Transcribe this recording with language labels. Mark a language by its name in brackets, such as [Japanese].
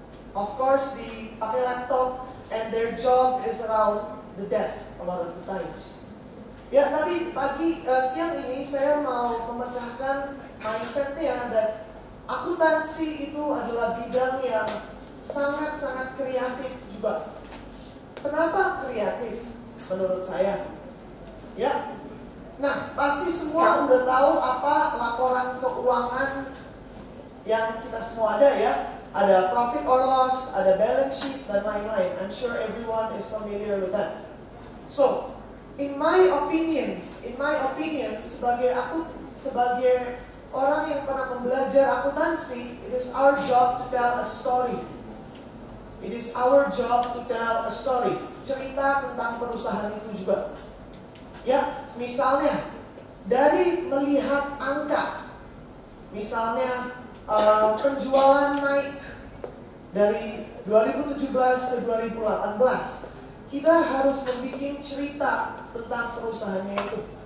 [English] Of course, [Indonesian] di pakai laptop, [English] and their job is around the desk a lot of the times. [Indonesian] Ya, tapi siang ini saya mau memecahkan mindsetnya that akuntansi itu adalah bidang yang sangat-sangat kreatif juga. Kenapa kreatif menurut saya? Ya, nah pasti semua udah tahu apa laporan keuangan yang kita semua ada ya. Ada profit or loss, ada balance sheet, dan lain-lain. [English] I'm sure everyone is familiar with that. So, in my opinion, [Indonesian] sebagai orang yang pernah membelajar akuntansi, [English] it is our job to tell a story. It is our job to tell a story. [Indonesian] Cerita tentang perusahaan itu juga. Ya, misalnya, dari melihat angka, misalnya, penjualan naik dari 2017 ke 2018, kita harus membuat cerita tentang perusahaannya itu.